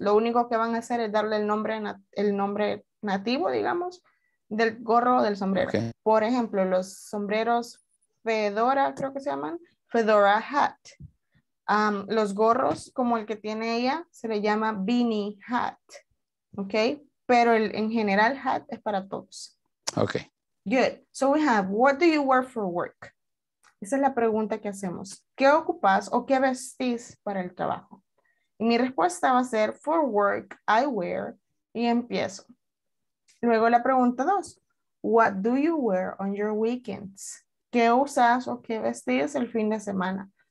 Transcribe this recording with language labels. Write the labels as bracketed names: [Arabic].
[Spanish] Lo único que van a hacer es darle el nombre nativo, digamos, del gorro o del sombrero. Okay. Por ejemplo, los sombreros fedora, creo que se llaman, fedora hat. Los gorros, como el que tiene ella, se le llama beanie hat. Ok, pero en general hat es para todos. Ok. [English] Good. So we have, what do you wear for work? [Spanish] Esa es la pregunta que hacemos. ¿Qué ocupas o qué vestís para el trabajo? Y mi respuesta va a ser, [English] for work, I wear, [Spanish] y empiezo. Luego la pregunta dos, [English] what do you wear on your weekends? [Spanish] ¿Qué usas o qué vestís el fin de semana?